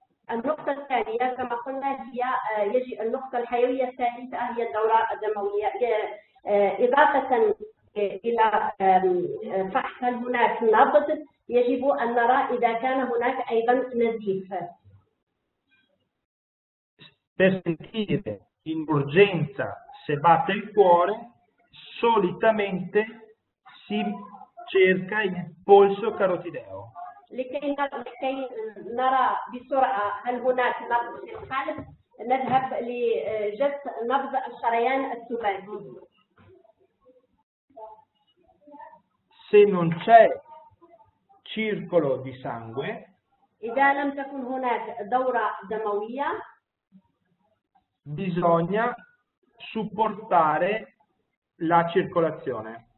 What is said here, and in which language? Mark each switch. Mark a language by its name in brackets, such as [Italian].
[Arabic] النقطة الثانية كما قلنا هي يجي النقطة الحيوية الثالثة هي الدورة الدموية إضافة إلى فحص هل هناك نبض يجب أن نرى إذا كان هناك أيضا نزيف. [Italian] Per sentire in urgenza se batte il cuore, solitamente si cerca il polso carotideo. [Arabic] لكي نرى بسرعة هل هناك نبض في القلب نذهب لجس نبض الشريان السفلي. [Italian] Se non c'è circolo di sangue. [Arabic] إذا لم تكن هناك دورة دموية. [Italian] Bisogna supportare la circolazione.